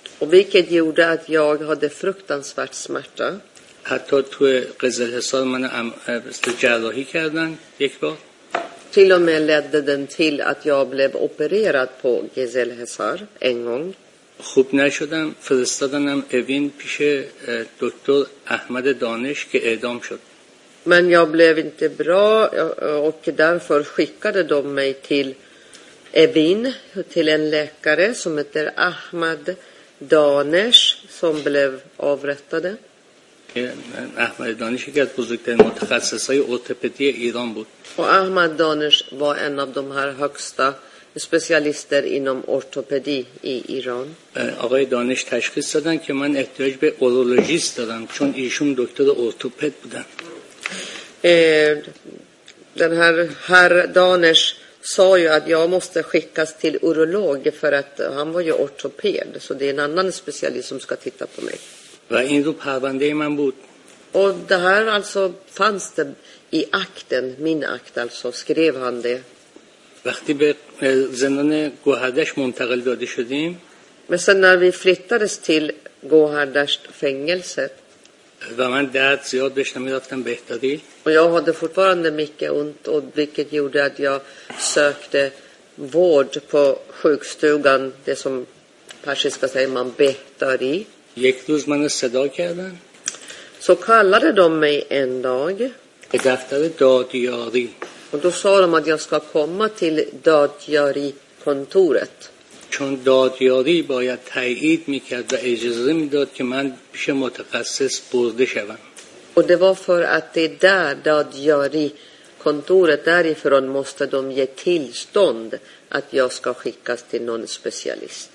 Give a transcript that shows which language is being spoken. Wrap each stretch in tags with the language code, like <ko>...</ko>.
<fa>و وقتی گفت که من درد فرکتانسفرت سمرتا. حتی تو قزل حصار من جراحی کردن یک بار.</fa> <sv>Till och med ledde den till att jag blev opererad på Gesellhäsar en gång.</sv> <fa>خوب نشدم فرستادنم اوین پیش دکتر احمد دانش که اعدام شد.</fa> <sv>Men jag blev inte bra och därför skickade de mig till Evin, till en läkare som heter Ahmad Danesh som blev avrättade.</sv> <fa>احمد دانش یکی از بزرگترین متخصص های ارتوپدی ایران بود.</fa> <sv>و احمد دانش var en av de här högsta specialister inom ortopedi i Iran.</sv> <fa>آقای دانش تشخیص دادن که من احتیاج به اورولوژیست دارم چون ایشون دکتر ارتوپد بودن.</fa> <sv>Den här herr Danish sa ju att jag måste skickas till urolog för att han var ju ortoped så det är en annan specialist som ska titta på mig.</sv> <fa>و این رو پرونده من بود.</fa> <sv>و ده هر altså fanns det i akten, min akt alltså, skrev han det.</sv> <fa>وقتی به زندان گوهردشت منتقل داده شدیم.</fa> <sv>Men sen när vi flyttades till Gohardasht fängelse.</sv> <fa>و من درد زیاد داشتم می‌رفتم بهداری.</fa> <sv>Och jag hade fortfarande mycket ont och vilket gjorde att jag sökte vård på sjukstugan, det som persiska säger man bettari.</sv> <fa>یک روز من صدا کردن.</fa> <sv>Så kallade de mig en dag.</sv> <fa>I دفتر دادیاری.</fa> <sv>Och då sa de att jag ska komma till dadjari-kontoret.</sv> <fa>چون دادیاری باید تایید میکرد و اجازه میداد که من پیش متخصص برده شوم.</fa> <sv>Och det var för att det där dadjari-kontoret därifrån måste de ge tillstånd att jag ska skickas till någon specialist.</sv>